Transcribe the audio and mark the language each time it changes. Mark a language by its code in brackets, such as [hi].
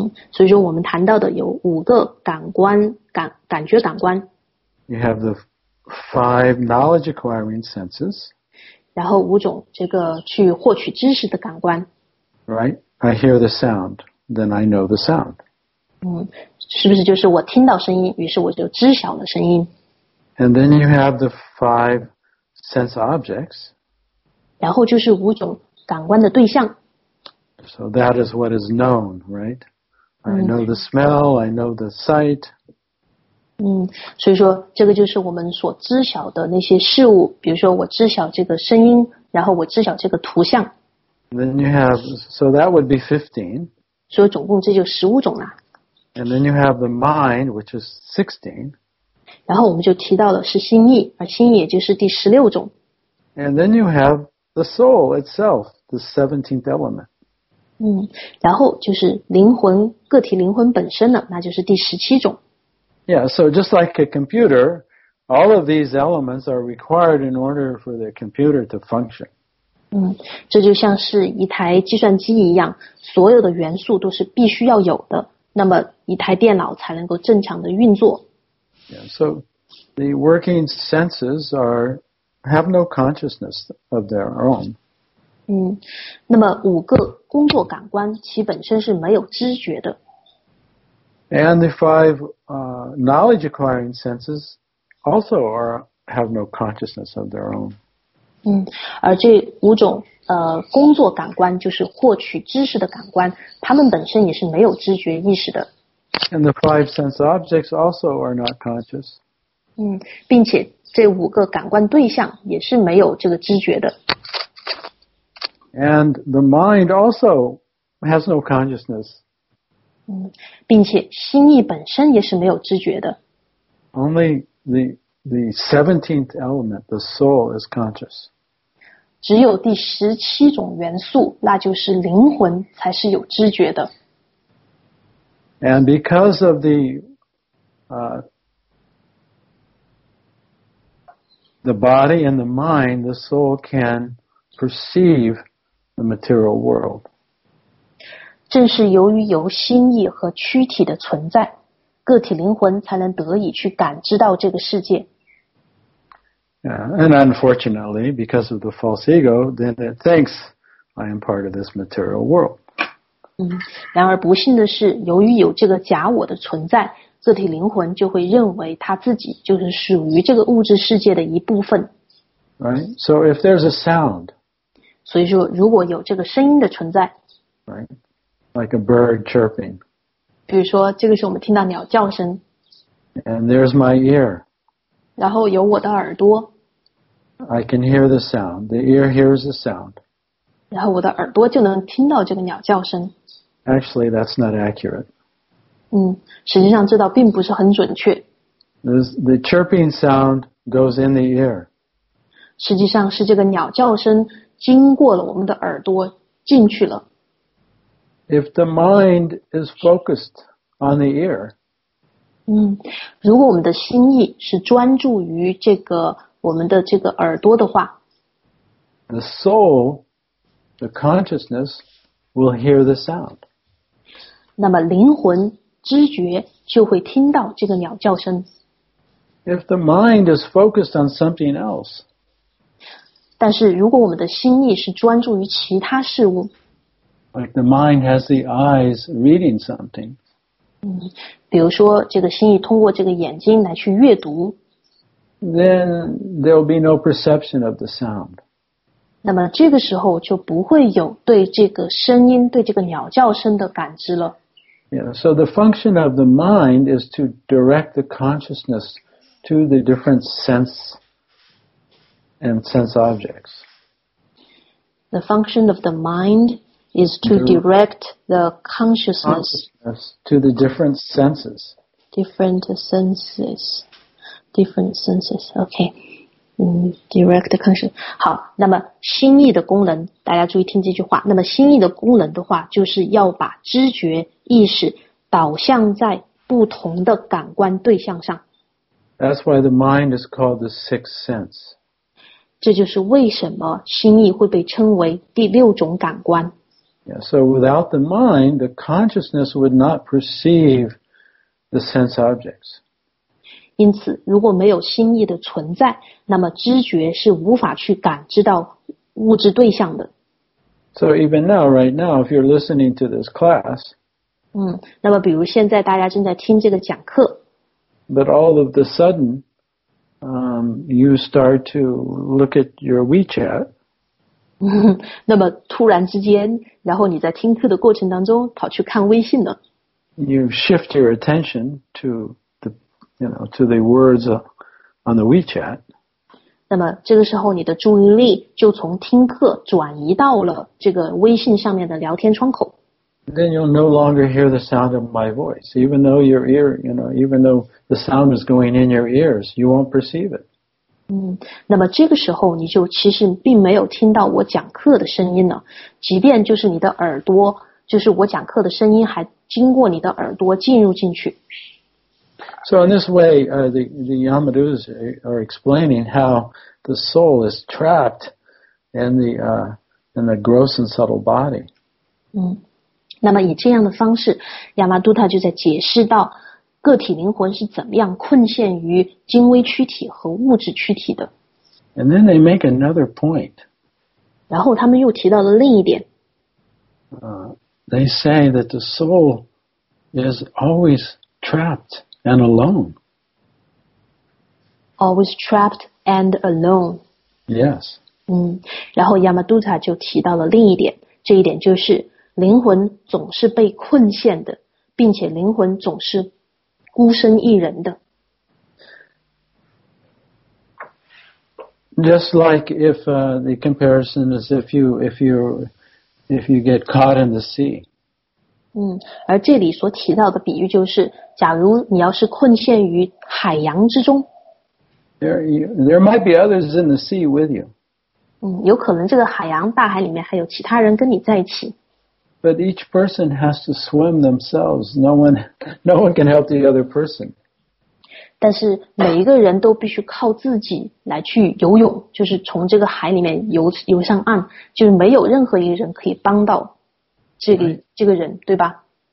[zh] 所以说我们谈到的有五个感官，感觉感官。 [en] You have the five knowledge acquiring senses. [zh] 然后五种这个去获取知识的感官。 [en] Right? I hear the sound, then I know the sound. [zh] 是不是就是我听到声音，于是我就知晓了声音。 [en] And then you have the five sense objects. [zh] 然后就是五种感官的对象。 [en] So that is what is known, right? I know the smell, I know the sight. [zh] 所以说这个就是我们所知晓的那些事物，比如说我知晓这个声音，然后我知晓这个图像。 [en] Then you have, so that would be 15. [zh] 所以总共这就15种啦。 [en] And then you have the mind, which is 16. [zh] 然后我们就提到了是心意，而心意也就是第16种。 [en] And then you have the soul itself, the 17th element. [zh] 然后就是灵魂，个体灵魂本身了，那就是第17种。 [en] Yeah, so just like a computer, all of these elements are required in order for the computer to function. [zh] 这就像是一台计算机一样，所有的元素都是必须要有的。那么一台电脑才能够正常的运作。 [en] Yeah, so the working senses have no consciousness of their own. [zh] 那么五个工作感官其本身是没有知觉的。 [en] And the five knowledge acquiring senses also have no consciousness of their own. [zh] 而这五种工作感官就是获取知识的感官，他们本身也是没有知觉意识的。 [en] And the five sense objects also are not conscious. [zh] 并且这五个感官对象也是没有这个知觉的。 [en] And the mind also has no consciousness. [zh] 并且心意本身也是没有知觉的。 [en] Only the 17th element, the soul, is conscious. [zh] 只有第十七种元素，那就是灵魂，才是有知觉的。 [en] And because of the body and the mind, the soul can perceive the material world. [zh] 正是由于有心意和躯体的存在，个体灵魂才能得以去感知到这个世界。 [en] Yeah, and unfortunately, because of the false ego, then it thinks I am part of this material world. [zh] 然而不幸的是，由于有这个假我的存在，个体灵魂就会认为他自己就是属于这个物质世界的一部分。 [en] Right. So if there's a sound, [zh] 所以说如果有这个声音的存在 [en] ，right, like a bird chirping. [zh] 比如说这个是我们听到鸟叫声。 [en] And there's my ear. [zh] 然后有我的耳朵。 [en] I can hear the sound. The ear hears the sound. [zh] 然后我的耳朵就能听到这个鸟叫声。 [en] Actually, that's not accurate. [zh] 实际上这倒并不是很准确。 [en] The chirping sound goes in the ear. [zh] 实际上是这个鸟叫声经过了我们的耳朵进去了。 [en] If the mind is focused on the ear, [zh] 如果我们的心意是专注于这个我们的这个耳朵的话 [en] ，the soul, the consciousness will hear the sound. [zh] 那么灵魂知觉就会听到这个鸟叫声。 [en] If the mind is focused on something else, [zh] 但是如果我们的心意是专注于其他事物 [en] ，like the mind has the eyes reading something. [zh] 比如说这个心意通过这个眼睛来去阅读 [en] then there will be no perception of the sound. [zh] 那么这个时候就不会有对这个声音对这个鸟叫声的感知了 [en] Yeah, so the function of the mind is to direct the consciousness to the different sense and sense objects. The function of the mindis to direct the consciousness to the different senses. Different senses. Different senses, okay. Direct connection. [zh] 好，那么心意的功能，大家注意听这句话。那么心意的功能的话，就是要把知觉意识导向在不同的感官对象上。 [en] That's why the mind is called the sixth sense. [zh] 这就是为什么心意会被称为第六种感官。 [en] Yeah, so without the mind, the consciousness would not perceive the sense objects. [zh] 因此，如果没有心意的存在，那么知觉是无法去感知到物质对象的。 [en] So even now, right now, if you're listening to this class, [zh] 那么比如现在大家正在听这个讲课。 [en] But all of the sudden, you start to look at your WeChat. [zh] 那么突然之间，然后你在听课的过程当中跑去看微信了。 [en] You shift your attention to the, you know, to the words on the WeChat. [zh] 那么这个时候，你的注意力就从听课转移到了这个微信上面的聊天窗口。 [en] Then you'll no longer hear the sound of my voice, even though your ear, you know, even though the sound is going in your ears, you won't perceive it. [zh] 那么这个时候你就其实并没有听到我讲课的声音了，即便就是你的耳朵，就是我讲课的声音还经过你的耳朵进入进去。 [en] So in this way, the Yamadus are explaining how the soul is trapped in the gross and subtle body. [zh] 那么以这样的方式，亚麻都塔就在解释到个体灵魂是怎么样困陷于精微躯体和物质躯体的。 [en] And then they make another point. [zh] 然后他们又提到了另一点。 [en] They say that the soul is always trapped and alone. Always trapped and alone. Yes. [zh] 然后亚麻都塔就提到了另一点，这一点就是灵魂总是被困陷的，并且灵魂总是孤身一人的。 [en] Just like if the comparison is if you get caught in the sea. [zh] 而这里所提到的比喻就是，假如你要是困陷于海洋之中。 [en] There might be others in the sea with you. [zh] 有可能这个海洋大海里面还有其他人跟你在一起。 [en] But each person has to swim themselves. No one can help the other person. [zh] 但是每一个人都必须靠自己来去游泳，就是从这个海里面游上岸，就是没有任何一个人可以帮到这个人，对吧？